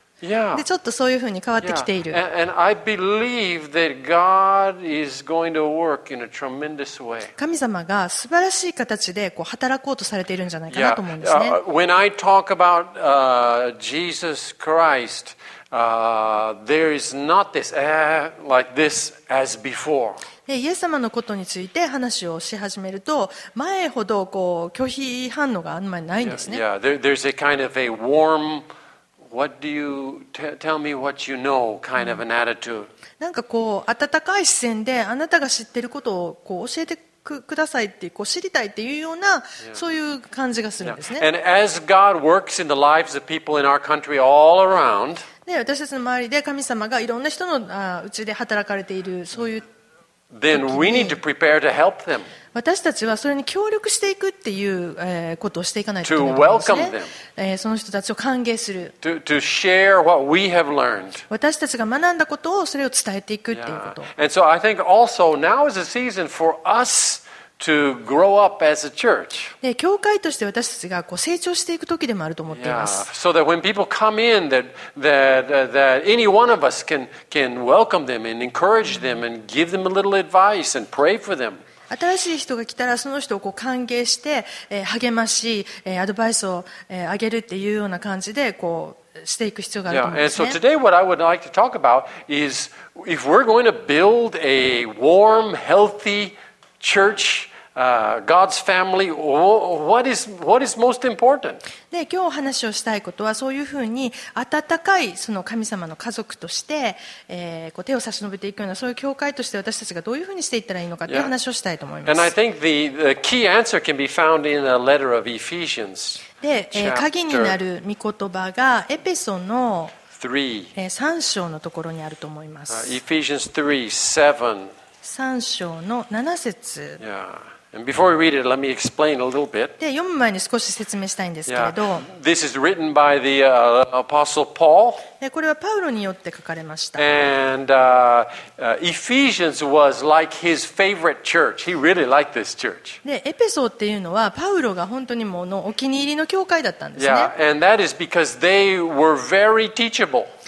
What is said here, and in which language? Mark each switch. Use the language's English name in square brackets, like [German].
[Japanese] でちょっとそういう風に変わってきている。 [English] And I believe that God is going to work in a tremendous way. [Japanese] 神様が素晴らしい形でこう働こうとされているんじゃないかなと思うんですね。 [English] When I talk about Jesus Christ. There is not this like this as before. [Japanese] イエス様のことについて話をし始めると、前ほどこう拒否反応があんまりないんですね。 [English] There's a kind of a warm, what do you tell me what you know kind of an attitude. [Japanese] なんかこう温かい視線で、あなたが知ってることをこう教えてくださいってこう知りたいっていうようなそういう感じがするんですね。 [English] And as God works in the lives of people in our country all around. [Japanese] で私たちの周りで神様がいろんな人のうちで働かれているそういう時に、 [English] we need to prepare to help them. [Japanese] 私たちはそれに協力していくっていう、ことをしていかないといけないんですね。その人たちを歓迎する。 [English] To share what we have learned. [Japanese] 私たちが学んだことをそれを伝えていくっていうこと。 [English] And so I think also now is a season for us. To grow up as a church. [Japanese] 教会として私たちがこう成長していく時でもあると思っています。 [English] So that when people come in, that any one of us can welcome them and encourage them and give them a little advice and pray for them. [Japanese] 新しい人が来たらその人をこう歓迎して励まし、アドバイスをあげるっていうような感じでこうしていく必要があると思いますね。 [English] And so today what I would like to talk about is if we're going to build a warm, healthy,Church, God's family. What is most important? [Japanese] で今日お話をしたいことはそういうふうに温かいその神様の家族として、こう手を差し伸べていくようなそういう教会として私たちがどういうふうにしていったらいいのかという話をしたいと思います。 [English] And I think the key answer can be found in a letter of Ephesians. [Japanese] で、鍵になる御言葉がエペソの三章のところにあると思います。 [English] Ephesians 3:7. [Japanese] 3章の7節。 [English] And before we read it, let me explain a little bit. [Japanese] で、読む前に少し説明したいんですけれど。 [English] This is written by the apostle Paul. [Japanese] で、これはパウロによって書かれました。 [English] And Ephesians was like his favorite church. He really liked this church. [Japanese] で、エペソっていうのはパウロが本当にものお気に入りの教会だったんですね。 [English] Yeah, and that is because they were very teachable.